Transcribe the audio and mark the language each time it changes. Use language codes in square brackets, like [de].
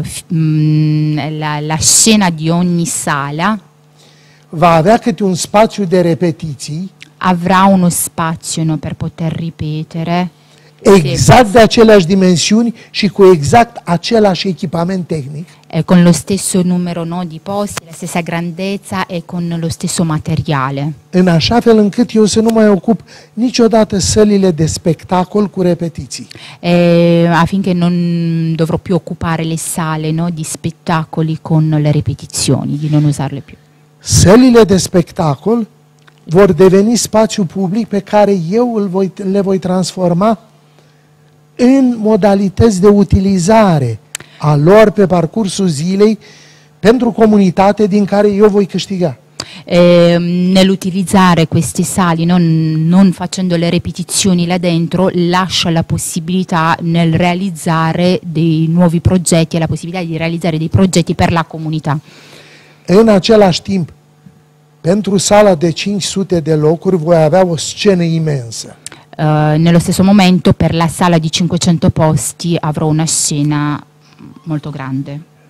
[it] La scena di ogni sala [ro] va avea câte un spațiu de repetiții, [it] avrà uno spazio, no, per poter ripetere [ro] exact de aceleași dimensiuni și cu exact același echipament tehnic, [it] e con lo stesso numero, no, di posti, la stessa grandezza e con lo stesso materiale, [ro] în așa fel încât eu să nu mai ocup niciodată sălile de spectacol cu repetiții, [it] e affinché non dovrò più occupare le sale, no, di spettacoli con le repetizioni, di non usarle più. [ro] Sălile de spectacol vor deveni spațiu public pe care eu le voi transforma în modalități de utilizare a lor pe parcursul zilei pentru comunitate din care eu voi câștiga. [it] Nell'utilizzare queste sali, non facendo le repetizioni là dentro, lascia la possibilità nel realizzare dei nuovi progetti e la possibilità di realizzare dei progetti per la comunità. [ro] În același timp, pentru sala de 500 de locuri voi avea o scenă imensă. [it] Nello stesso momento, per la sala di 500 posti avrò una scena molto grande.